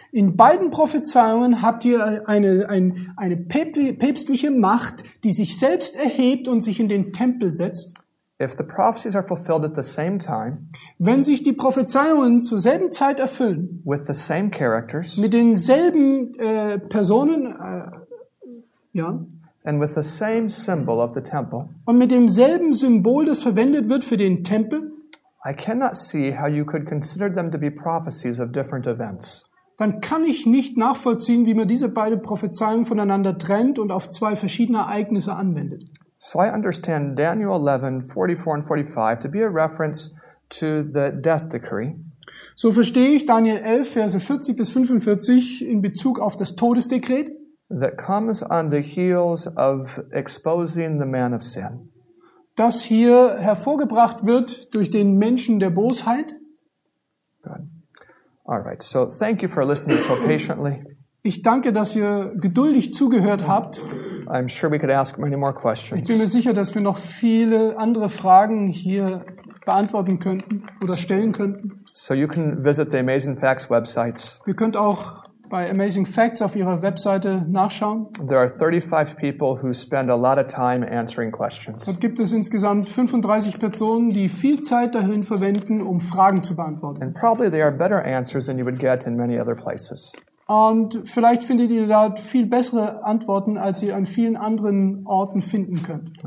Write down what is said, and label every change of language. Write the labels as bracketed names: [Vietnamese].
[German] In beiden Prophezeiungen habt ihr eine päpstliche Macht, die sich selbst erhebt und sich in den Tempel setzt. [English] If the prophecies are fulfilled at the same time, [German] wenn sich die Prophezeiungen zur selben Zeit erfüllen, [English] with the same characters, [German] mit denselben Personen, [English] and with the same symbol of the temple, [German] und mit demselben Symbol, das verwendet wird für den Tempel, [English] I cannot see how you could consider them to be prophecies of different events. [German] Dann kann ich nicht nachvollziehen, wie man diese beiden Prophezeiungen voneinander trennt und auf zwei verschiedene Ereignisse anwendet. [English] So I understand Daniel 11, 44 and 45 to be a reference to the death decree. [German] So verstehe ich Daniel 11, Verse 40 bis 45 in Bezug auf das Todesdekret. [English] That comes on the heels of exposing the man of sin. [German] Das hier hervorgebracht wird durch den Menschen der Bosheit. [English] Good. All right, so thank you for listening so patiently. [German] Ich danke, dass ihr geduldig zugehört habt. [English] I'm sure we could ask many more questions. [German] Ich bin mir sicher, dass wir noch viele andere Fragen hier beantworten könnten oder stellen könnten. [English] So you can visit the Amazing Facts websites. [German] Ihr könnt auch bei Amazing Facts auf ihrer Webseite nachschauen. [English] There are 35 people who spend a lot of time answering questions. [German] Dort gibt es insgesamt 35 Personen, die viel Zeit dahin verwenden, um Fragen zu beantworten. [English] And probably they are better answers than you would get in many other places. [German] Und vielleicht findet ihr da viel bessere Antworten, als ihr an vielen anderen Orten finden könnt.